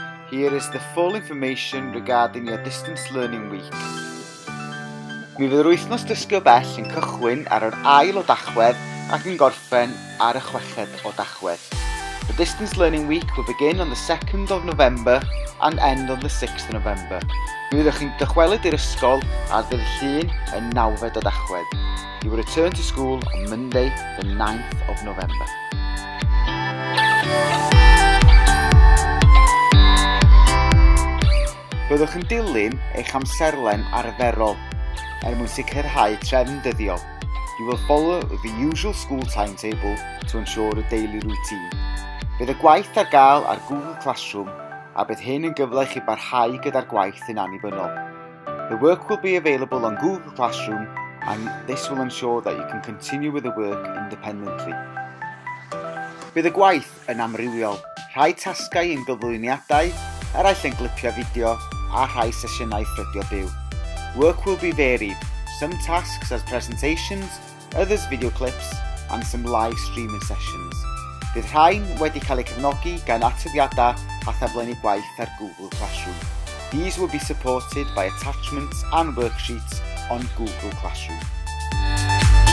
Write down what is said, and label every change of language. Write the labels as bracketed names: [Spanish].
[English] Here is the full information regarding your distance learning week. [Welsh] Mi fydd yr wythnos dysgu o bell yn cychwyn ar yr ail o dachwedd ac yn gorffen ar y chweched o dachwedd. [English] The distance learning week will begin on the 2nd of November and end on the 6th of November. [Welsh] Mi fyddwch chi'n dychwelyd i'r ysgol ar ddydd Llun yn 9fed o dachwedd. [English] You will return to school on Monday, the 9th of November. [Welsh] Byddwch yn dilyn eich amserlen arferol er mwyn sicrhau trefn dyddiol. [English] You will follow the usual school timetable to ensure a daily routine. [Welsh] Bydd y gwaith ar gael ar Google Classroom a bydd hyn yn gyfle I chi barhau gyda'r gwaith yn annibynnol. [English] The work will be available on Google Classroom and this will ensure that you can continue with the work independently. [Welsh] Bydd y gwaith yn amrywiol. Rhai tasgau yn gyflwyniadau, eraill yn glipio fideo a rhai sesiynau ffrydio byw. [English] Work will be varied. Some tasks as presentations, others video clips and some live streaming sessions. [Welsh] Bydd rhain wedi cael eu cefnogi gan atyddiadau a theblenni gwaith ar Google Classroom. [English] These will be supported by attachments and worksheets on Google Classroom.